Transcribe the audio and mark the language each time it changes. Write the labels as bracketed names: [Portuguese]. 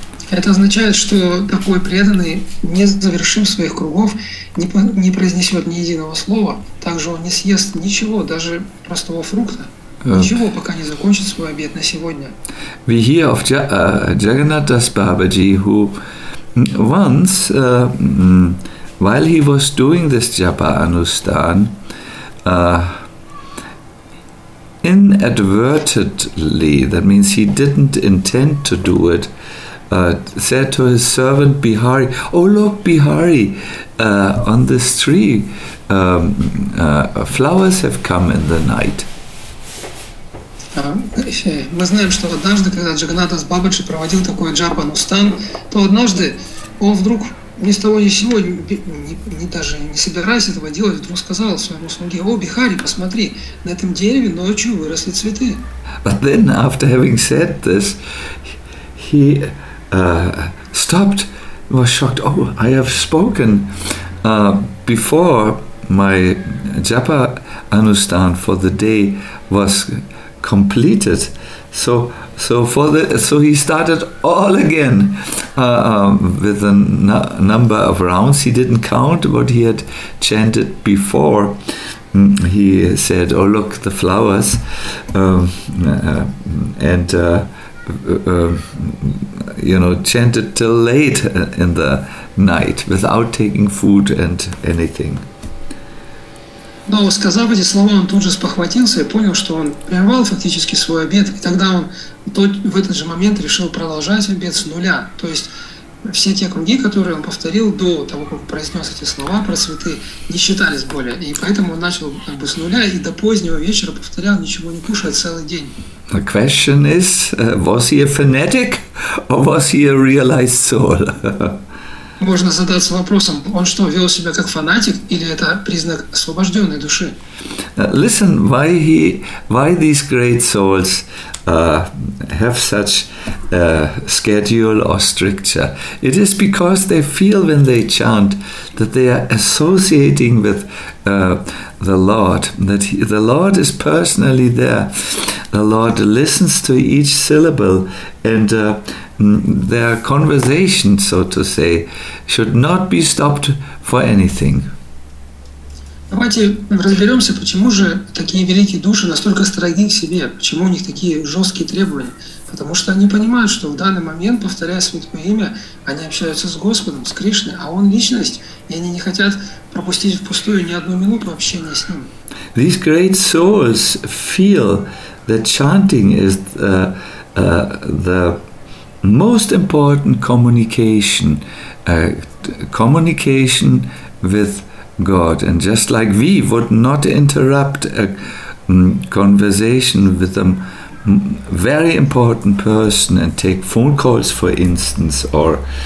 [Russian] Это означает, что такой преданный не завершив своих кругов, не произнесет ни единого слова, также он не съест ничего, даже простого фрукта, ничего, пока не закончит свой обед на сегодня. [English] We hear of Jagannath Das Babaji, who once, while he was doing this japa anusthan, inadvertently, that means he didn't intend to do it, said to his servant Bihari, "Oh look, Bihari, on this tree, flowers have come in the night." [Russian] Мы знаем, что однажды, когда Джагнат Дас Бабаджи проводил такой джапа анустан, то однажды он вдруг ни с того ни с сего, даже не собираясь этого делать, вдруг сказал своему слуге: "О, Бихари, посмотри, на этом дереве ночью выросли цветы." [English] But then, after having said this, he stopped, was shocked. "Oh, I have spoken before my japa anusthan for the day was completed. So So for the so he started all again with a number of rounds. He didn't count what he had chanted before. He said, "Oh, look, the flowers," chanted till late in the night without taking food and anything. [Russian] Но сказав эти слова, он тут же спохватился и понял, что он прервал фактически свой обед. И тогда он в этот же момент решил продолжать обед с нуля. То есть все те круги, которые он повторил до того, как произнес эти слова про цветы, не считались более. И поэтому он начал как бы с нуля и до позднего вечера повторял, ничего не кушая целый день. [English] The question is, was he a fanatic or was he a realized soul? [Russian] Можно задаться вопросом, он что, вел себя как фанатик, или это признак освобожденной души? [English] Listen, why these great souls have such a schedule or stricture? It is because they feel when they chant that they are associating with the Lord, that the Lord is personally there. The Lord listens to each syllable and their conversation, so to say, should not be stopped for anything. [Russian] Давайте разберемся, почему же такие великие души настолько строги к себе, почему у них такие жесткие требования. Потому что они понимают, что в данный момент, повторяя Святое Имя, они общаются с Господом, с Кришной, а Он Личность, и они не хотят пропустить впустую ни одну минуту общения с Ним. [English] These great souls feel that chanting is the most important communication with God, and just like we would not interrupt a conversation with a very important person and take phone calls, for instance, or